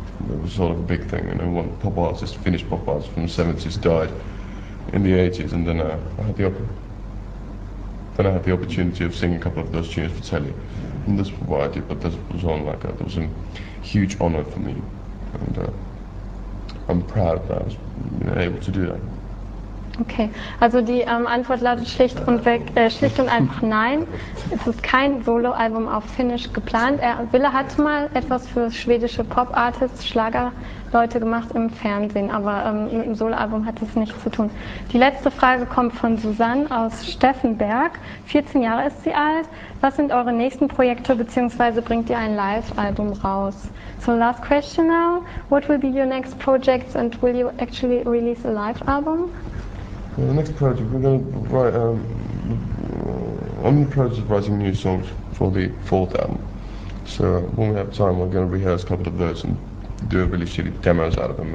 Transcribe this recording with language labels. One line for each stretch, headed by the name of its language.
English: It was sort of a big thing, you know, one pop artist, Finnish pop artist from the 70s died in the 80s, and then I had the opportunity of singing a couple of those tunes for telly, and that's what I did, but this was on like a, it was a huge honor for me, and I'm proud that I was, you know, able to do that.
German: Okay, also die Antwort lautet schlicht und weg, schlicht und einfach nein. Es ist kein Soloalbum auf Finnisch geplant. Wille hat mal etwas für schwedische Pop-Artists, Schlagerleute gemacht im Fernsehen, aber mit dem Soloalbum hat es nichts zu tun. Die letzte Frage kommt von Susanne aus Steffenberg. 14 Jahre ist sie alt. Was sind eure nächsten Projekte, beziehungsweise bringt ihr ein Live-Album raus?
English: So, last question now. What will be your next projects and will you actually release a live album? Well, the next project, we're going to write, I'm in the process of writing new songs for the fourth album. So when we have time, we're going to rehearse a couple of those and do a really shitty demos out of them.